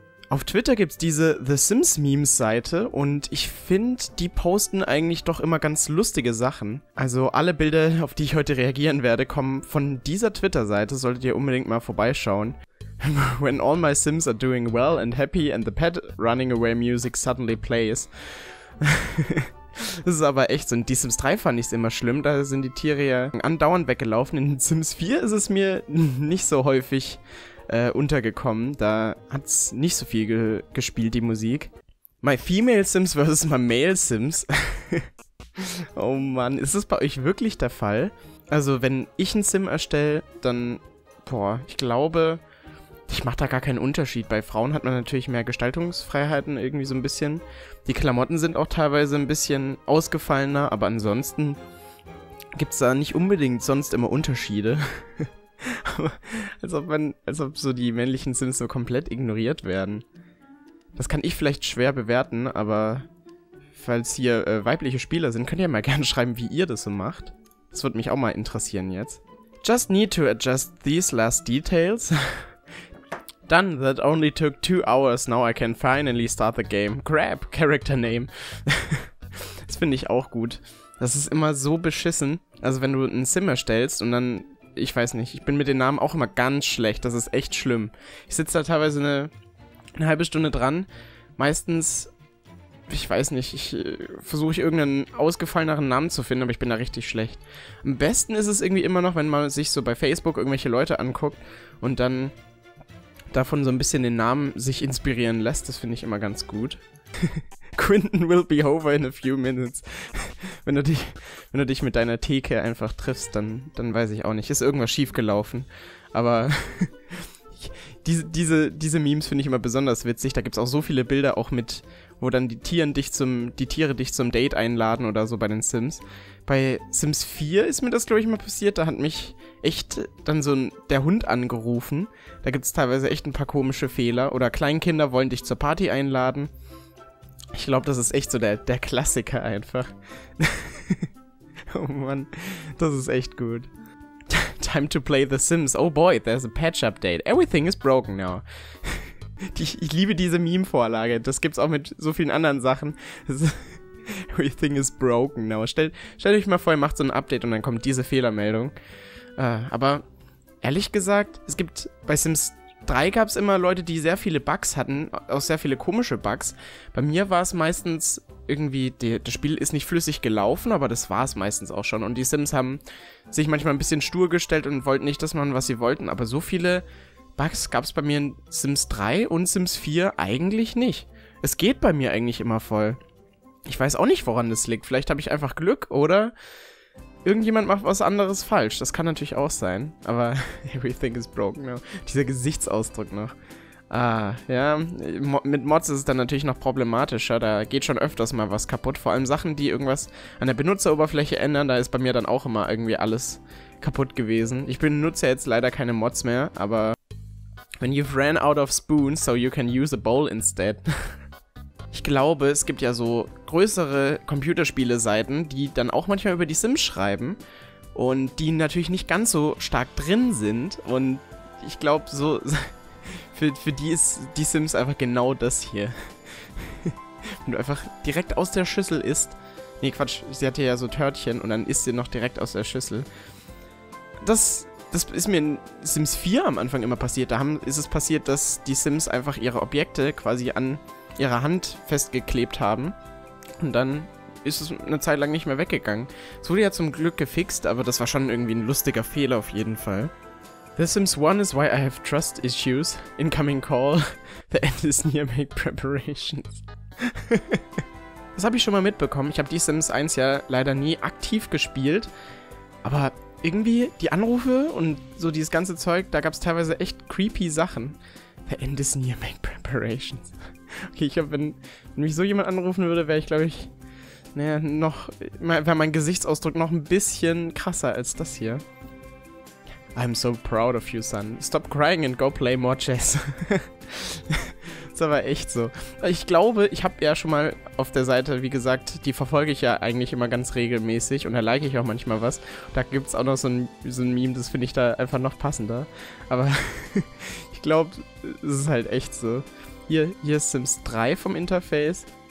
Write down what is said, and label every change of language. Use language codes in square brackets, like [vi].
[de] Auf Twitter gibt's diese The Sims Memes Seite und ich finde, die posten eigentlich doch immer ganz lustige Sachen. Also alle Bilder, auf die ich heute reagieren werde, kommen von dieser Twitter-Seite, solltet ihr unbedingt mal vorbeischauen. [en] When all my Sims are doing well and happy and the pet running away music suddenly plays. [de] Das ist aber echt so. In Die Sims 3 fand ich es immer schlimm, da sind die Tiere ja andauernd weggelaufen. In Sims 4 ist es mir nicht so häufig untergekommen, da hat's nicht so viel gespielt, die Musik. [en] My female Sims versus my male Sims. [de] Oh Mann, ist das bei euch wirklich der Fall? Also, wenn ich einen Sim erstelle, dann, boah, ich glaube, ich mache da gar keinen Unterschied. Bei Frauen hat man natürlich mehr Gestaltungsfreiheiten irgendwie so ein bisschen. Die Klamotten sind auch teilweise ein bisschen ausgefallener, aber ansonsten gibt's da nicht unbedingt sonst immer Unterschiede. Als ob so die männlichen Sims so komplett ignoriert werden. Das kann ich vielleicht schwer bewerten, aber falls hier weibliche Spieler sind, könnt ihr mal gerne schreiben, wie ihr das so macht. Das würde mich auch mal interessieren jetzt. [en] Just need to adjust these last details. Done, that only took 2 hours, now I can finally start the game. Grab, character name. [de] Das finde ich auch gut. Das ist immer so beschissen. Also wenn du ein Sim erstellst und dann, ich weiß nicht, ich bin mit den Namen auch immer ganz schlecht, das ist echt schlimm. Ich sitze da teilweise eine halbe Stunde dran, meistens, ich weiß nicht, ich versuche irgendeinen ausgefalleneren Namen zu finden, aber ich bin da richtig schlecht. Am besten ist es irgendwie immer noch, wenn man sich so bei Facebook irgendwelche Leute anguckt und dann davon so ein bisschen den Namen sich inspirieren lässt, das finde ich immer ganz gut. [en] Quinton will be over in a few minutes. [de] Wenn du dich mit deiner Theke einfach triffst, dann weiß ich auch nicht. Ist irgendwas schiefgelaufen. Aber diese Memes finde ich immer besonders witzig. Da gibt es auch so viele Bilder, auch mit, wo dann die Tiere dich zum Date einladen oder so bei den Sims. Bei Sims 4 ist mir das, glaube ich, mal passiert. Da hat mich echt dann so der Hund angerufen. Da gibt es teilweise echt ein paar komische Fehler. Oder Kleinkinder wollen dich zur Party einladen. Ich glaube, das ist echt so der Klassiker einfach. Oh Mann, das ist echt gut. [en] Time to play The Sims. Oh boy, there's a patch update. Everything is broken now. [de] Ich liebe diese Meme-Vorlage. Das gibt's auch mit so vielen anderen Sachen. [en] Everything is broken now. [de] Stellt euch mal vor, ihr macht so ein Update und dann kommt diese Fehlermeldung. Aber ehrlich gesagt, es gibt bei Sims 3 gab es immer Leute, die sehr viele Bugs hatten, auch sehr viele komische Bugs. Bei mir war es meistens irgendwie, das Spiel ist nicht flüssig gelaufen, aber das war es meistens auch schon. Und die Sims haben sich manchmal ein bisschen stur gestellt und wollten nicht das machen, was sie wollten. Aber so viele Bugs gab es bei mir in Sims 3 und Sims 4 eigentlich nicht. Es geht bei mir eigentlich immer voll. Ich weiß auch nicht, woran das liegt. Vielleicht habe ich einfach Glück oder irgendjemand macht was anderes falsch. Das kann natürlich auch sein. Aber [en] everything is broken now. [de] Dieser Gesichtsausdruck noch. Ah, ja. Mit Mods ist es dann natürlich noch problematischer. Da geht schon öfters mal was kaputt. Vor allem Sachen, die irgendwas an der Benutzeroberfläche ändern. Da ist bei mir dann auch immer irgendwie alles kaputt gewesen. Ich benutze jetzt leider keine Mods mehr. Aber [en] when you've ran out of spoons, so you can use a bowl instead. [de] Ich glaube, es gibt ja so größere Computerspiele-Seiten, die dann auch manchmal über die Sims schreiben und die natürlich nicht ganz so stark drin sind und ich glaube, so für die ist die Sims einfach genau das hier. Wenn du einfach direkt aus der Schüssel isst, nee Quatsch, sie hatte ja so Törtchen und dann isst sie noch direkt aus der Schüssel. Das ist mir in Sims 4 am Anfang immer passiert, da ist es passiert, dass die Sims einfach ihre Objekte quasi an ihre Hand festgeklebt haben und dann ist es eine Zeit lang nicht mehr weggegangen. Es wurde ja zum Glück gefixt, aber das war schon irgendwie ein lustiger Fehler auf jeden Fall. [en] The Sims 1 is why I have trust issues. Incoming call. The end is near, make preparations. [de] Das habe ich schon mal mitbekommen. Ich habe die Sims 1 ja leider nie aktiv gespielt, aber irgendwie die Anrufe und so dieses ganze Zeug, da gab es teilweise echt creepy Sachen. [en] The end is near, make preparations. [de] Okay, ich glaube, wenn mich so jemand anrufen würde, wäre ich, glaube ich, naja, noch, wäre mein Gesichtsausdruck noch ein bisschen krasser als das hier. [en] I'm so proud of you, son. Stop crying and go play more chess. [de] ist aber echt so. Ich glaube, ich habe ja schon mal auf der Seite, wie gesagt, die verfolge ich ja eigentlich immer ganz regelmäßig und da like ich auch manchmal was. Da gibt es auch noch so ein Meme, das finde ich da einfach noch passender. Aber ich glaube, es ist halt echt so. Hier ist Sims 3 vom Interface.